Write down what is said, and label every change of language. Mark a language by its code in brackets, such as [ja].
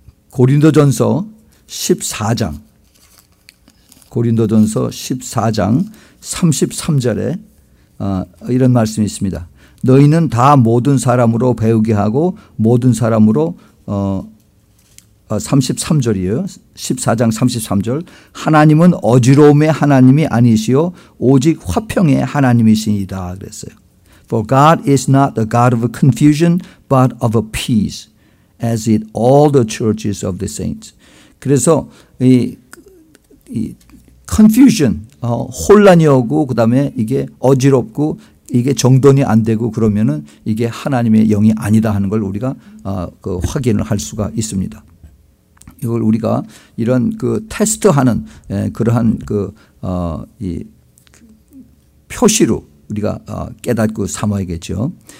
[ko] 고린도전서 14장 고린도전서 14장 33절에 이런 말씀이 있습니다. 너희는 다 모든 사람으로 배우게 하고 모든 사람으로 33절이에요. 14장 33절. 하나님은 어지러움의 하나님이 아니시오 오직 화평의 하나님이시니다 그랬어요. [en] For God is not the God of confusion but of a peace as it all the churches of the saints. [ko] 그래서 이 confusion 혼란이 오고 그다음에 이게 어지럽고 이게 정돈이 안 되고 그러면은 이게 하나님의 영이 아니다 하는 걸 우리가 확인을 할 수가 있습니다. 이걸 우리가 이런 그 테스트하는 그러한 그 이 표시로 우리가 깨닫고 삼아야겠죠.